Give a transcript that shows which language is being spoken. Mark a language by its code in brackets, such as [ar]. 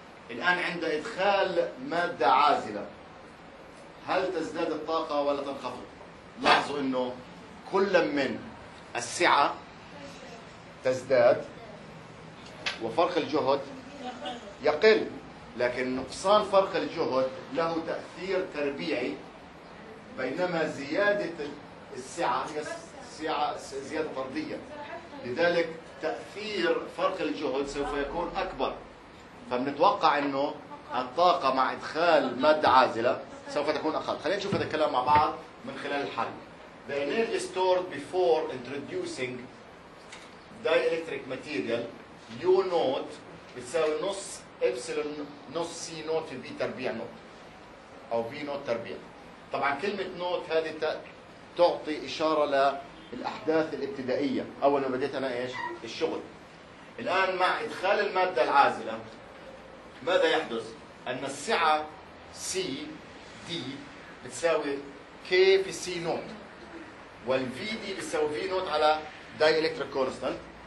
[ar] الآن عند إدخال مادة عازلة هل تزداد الطاقة ولا تنخفض؟ لاحظوا إنه كل من السعة تزداد وفرق الجهد يقل، لكن نقصان فرق الجهد له تأثير تربيعي، بينما زيادة السعة هي سعة زيادة طردية، لذلك تأثير فرق الجهد سوف يكون أكبر. فبنتوقع انه الطاقة مع ادخال مادة عازلة سوف تكون اقل. خلينا نشوف هذا الكلام مع بعض من خلال الحل. [en] The energy stored before introducing dielectric material U naught [ar] بتساوي نص [en] epsilon [ar] نص [en] C naught [ar] في [en] B [ar] تربيع [en] naught [ar] او [en] V naught تربيع. [ar] طبعا كلمة naught هذه تعطي اشارة للاحداث الابتدائية اول ما بديت انا ايش؟ الشغل. الان مع ادخال المادة العازلة ماذا يحدث؟ أن السعة C D بتساوي K في C نوت، وال V D بتساوي V نوت على دايلكتريك كونستانت.